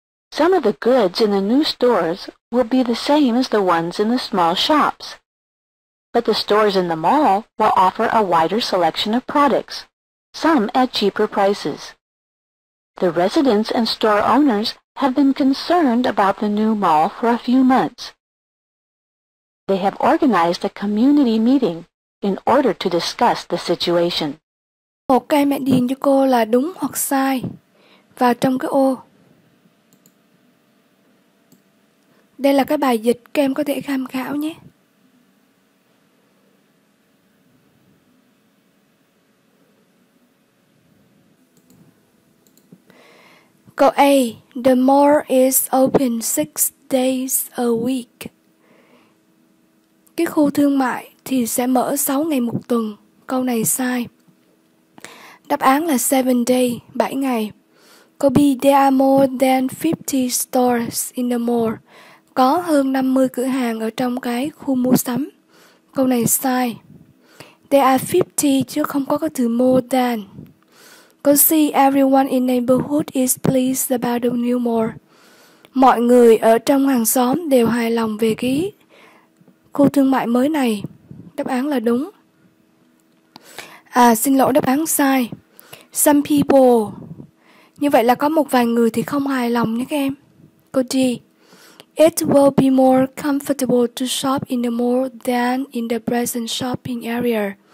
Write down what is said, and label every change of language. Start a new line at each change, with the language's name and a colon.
English: Some of the goods in the new stores will be the same as the ones in the small shops, but the stores in the mall will offer a wider selection of products, some at cheaper prices. The residents and store owners have been concerned about the new mall for a few months. They have organized a community meeting in order to discuss the situation.
Vietnamese: Ok, mẹ điền cho cô là đúng hoặc sai vào trong cái ô. Đây là cái bài dịch, các em có thể tham khảo nhé.
English: Câu A, the mall is open 6 days a week.
Vietnamese: Cái khu thương mại thì sẽ mở 6 ngày một tuần. Câu này sai. Đáp án là
English: 7 day,
Vietnamese: 7 ngày.
English: Câu B, there are more than 50 stores in the mall.
Vietnamese: Có hơn 50 cửa hàng ở trong cái khu mua sắm. Câu này sai.
English: There are 50
Vietnamese: chứ không có cái từ
English: more than. Câu C, everyone in neighborhood is pleased about the new mall.
Vietnamese: Mọi người ở trong hàng xóm đều hài lòng về cái khu thương mại mới này. Đáp án là đúng. À, xin lỗi, đáp án sai.
English: Some people.
Vietnamese: Như vậy là có một vài người thì không hài lòng nhé các em.
English: Câu D, it will be more comfortable to shop in the mall than in the present shopping area.